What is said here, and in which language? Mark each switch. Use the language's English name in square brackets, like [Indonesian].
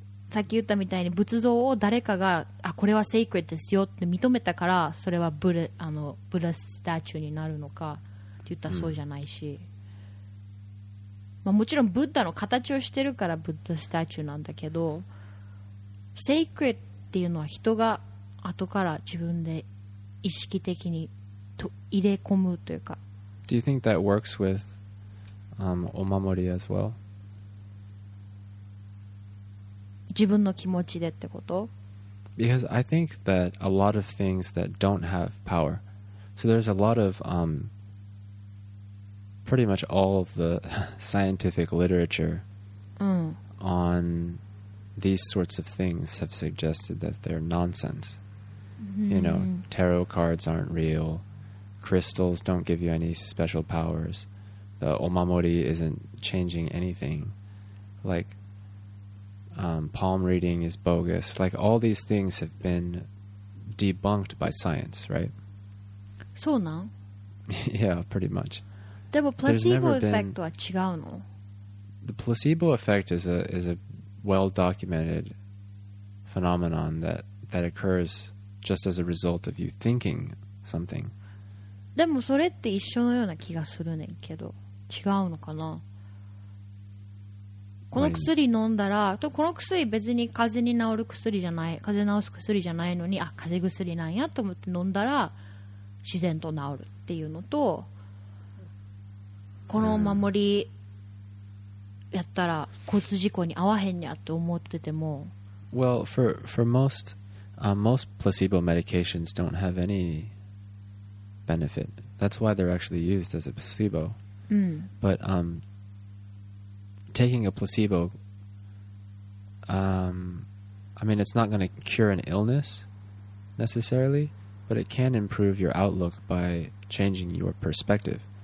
[Japanese] さっき言ったみたいに仏像を誰かが、あ、これはセイクレッドですよって認めたから、それはブラスタチューになるのかって言ったらそうじゃないし、うん、まあ、もちろんブッダの形をしてるからブッダスタチューなんだけど、セイクレッドっていうのは人が後から自分で意識的にと入れ込むというか。 [English] Do you think that works with、お守り as well? [Japanese] 自分の気持ちでってこと？ [English] Because I think that a lot of things that don't have power, so there's a lot of pretty much all of the scientific literature、 [Japanese] うん、 [English] on these sorts of things have suggested that they're nonsense、 [Japanese] うん、 [English] you know, tarot cards aren't real, crystals don't give you any special powers, the omamori isn't changing anything, likepalm reading is bogus. Like all these things have been debunked by science, right? [Japanese] そうなん? [English] Yeah, pretty much. [Japanese] でも [English] placebo effect [Japanese] は違うの? [English] The placebo effect is a well-documented phenomenon that occurs just as a result of you thinking something. [Japanese] でもそれって一緒のような気がするねんけど、違うのかな? この薬飲んだら、この薬別に風邪に治る薬じゃない、風邪治す薬じゃないのに、あ、風邪薬なんやと思って飲んだら自然と治るっていうのと、このお守りやったら交通事故に遭わへんやって思ってても、 [English] Well, for most, most placebo medications don't have any benefit. That's why they're actually used as a placebo. But, taking a placebo, I mean, it's not going to cure an illness necessarily, but it can improve your outlook by changing your perspective.